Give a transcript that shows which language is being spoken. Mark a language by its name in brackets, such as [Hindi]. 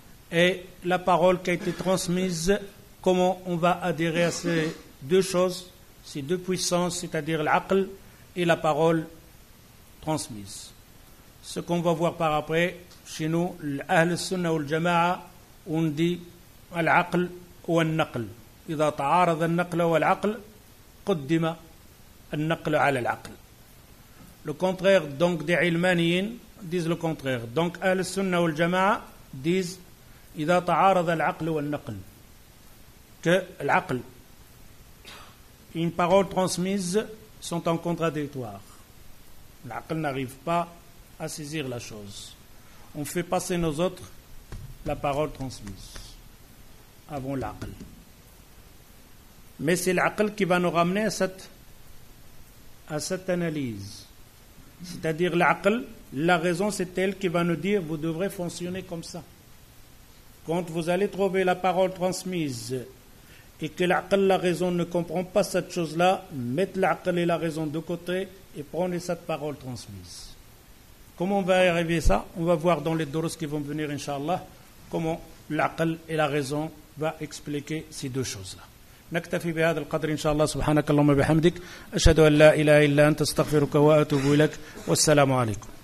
[French] et la parole qui a été transmise, comment on va adhérer à ces deux choses, ces deux puissances, c'est-à-dire l'aql et la parole transmise. Ce qu'on va voir par après, chez nous, l'ahl sunna ou l'jama'a, on dit l'aql ou l'naql. [Arabic] إذا تعارض النقل والعقل قدم النقل على العقل. [French] Le contraire donc des علمانيين disent le contraire. Donc [Arabic] أهل السنة والجماعة [French] disent [Arabic] إذا تعارض العقل والنقل [French] que العقل une parole transmise sont en contradictoire. L'عقل n'arrive pas à saisir la chose. On fait passer nos autres la parole transmise avant l'عقل. Mais c'est l'aql qui va nous ramener à cette analyse. C'est-à-dire l'aql, la raison, c'est elle qui va nous dire, vous devrez fonctionner comme ça. Quand vous allez trouver la parole transmise et que l'aql, la raison, ne comprend pas cette chose-là, mettez l'aql et la raison de côté et prenez cette parole transmise. Comment on va arriver à ça? On va voir dans les dourous qui vont venir, Inch'Allah, comment l'aql et la raison vont expliquer ces deux choses-là. [Arabic] نكتفي بهذا القدر إن شاء الله. سبحانك اللهم وبحمدك، أشهد أن لا إله إلا أنت، استغفرك وأتوب إليك، والسلام عليكم.